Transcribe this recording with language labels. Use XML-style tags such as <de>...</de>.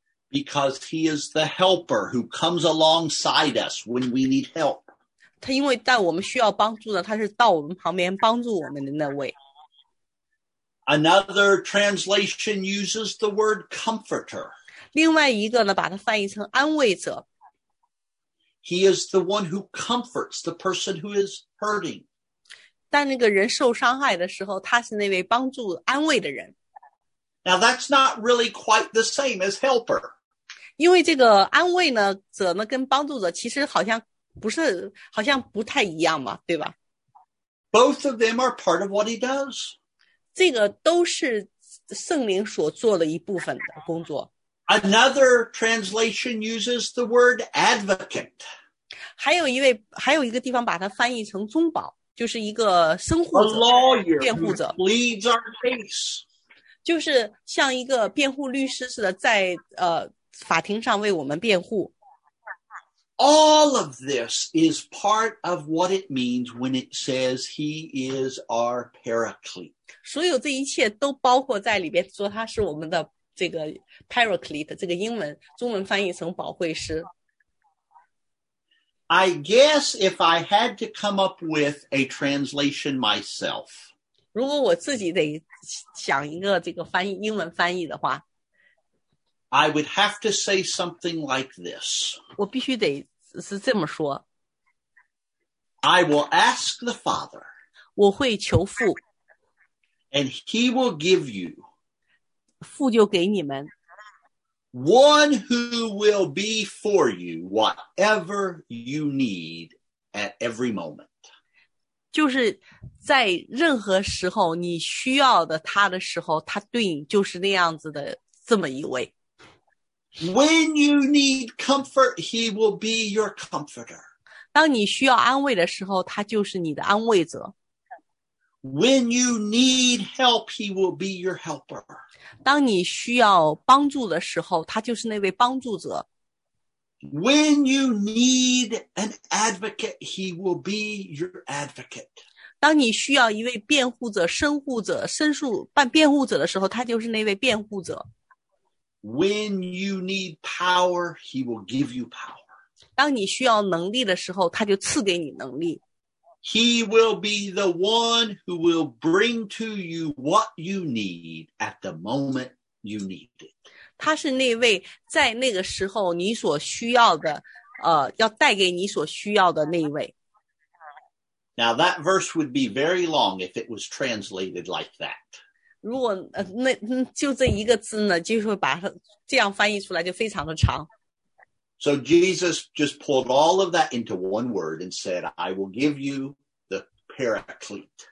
<en>Because he is the helper who comes alongside us when we need help.</en> <zh>他因为在我们需要帮助的，他是到我们旁边帮助我们的那位。</zh> <en>Another translation uses the word comforter.</en> <zh>另外一个呢，把它翻译成安慰者。</zh> <en>He is the one who comforts the person who is hurting.</en> <zh>但那个人受伤害的时候，他是那位帮助安慰的人。</zh> <en>Now that's not really quite the same as helper.</en> <zh>因为这个安慰呢，者呢，跟帮助者其实好像不是，好像不太一样嘛，对吧？</zh> <en>Both of them are part of what he does.</en> <zh>这个都是圣灵所做的一部分的工作。</zh> <en>Another translation uses the word advocate.</en> <zh>还有一个地方把它翻译成宗保，就是一个生护者、辩护者。</zh> <en>A lawyer who pleads our case.</en> <zh>就是像一个辩护律师似的在法庭上为我们辩护。</zh> <en>All of this is part of what it means when it says he is our paraclete.</en> <zh>所有这一切都包括在里边，说他是我们的这个 paraclete， 这个英文中文翻译成保惠师。</zh> <en>I guess if I had to come up with a translation myself,</en> <zh>如果我自己得想一个这个翻译英文翻译的话。</zh> <en>I would have to say something like this.</en> <zh>我必须得是这么说。</zh> <en>I will ask the Father.</en> <zh>我会求父。</zh> <en>And he will give you.</en> <zh>父就给你们。</zh> <en>One who will be for you whatever you need at every moment.</en> <zh>就是在任何时候你需要的他的时候，他对你就是那样子的这么一位。</zh> <en>When you need comfort, he will be your comforter.</en> <zh>当你需要安慰的时候，他就是你的安慰者。</zh> <en>When you need help, he will be your helper.</en> <zh>当你需要帮助的时候，他就是那位帮助者。</zh> <en>When you need an advocate, he will be your advocate.</en> <zh>当你需要一位辩护者、申护者、申诉办辩护者的时候，他就是那位辩护者。</zh> <en>When you need power, he will give you power.</en> <zh>当你需要能力的时候，他就赐给你能力。</zh> <en>He will be the one who will bring to you what you need at the moment you need it.</en> <zh>他是那位在那个时候你所需要的，要带给你所需要的那位。</zh> <en>Now that verse would be very long if it was translated like that.</en> <zh>如果那就这一个字呢，就是把它这样翻译出来就非常的长。</zh> <en>So Jesus just pulled all of that into one word and said, I will give you the paraclete.</en>